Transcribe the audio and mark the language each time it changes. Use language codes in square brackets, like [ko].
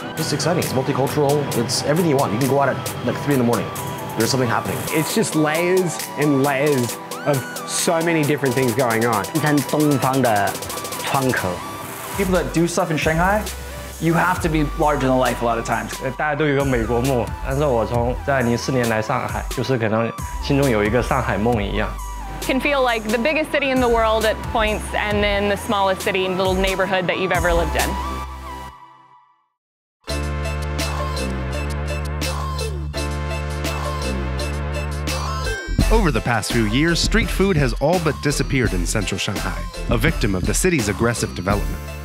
[en] It's exciting. It's multicultural. It's everything you want. You can go out at like 3 a.m. There's something happening. It's just layers and layers of so many different things going on. [zh] 一滩东方的窗口. [en] People that do stuff in Shanghai, you have to be larger than life a lot of times. [zh] 大家都有个美国梦，但是我从2014年来上海，就是可能心中有一个上海梦一样. [en] Can feel like the biggest city in the world at points and then the smallest city and little neighborhood that you've ever lived in. Over the past few years, street food has all but disappeared in central Shanghai, a victim of the city's aggressive development.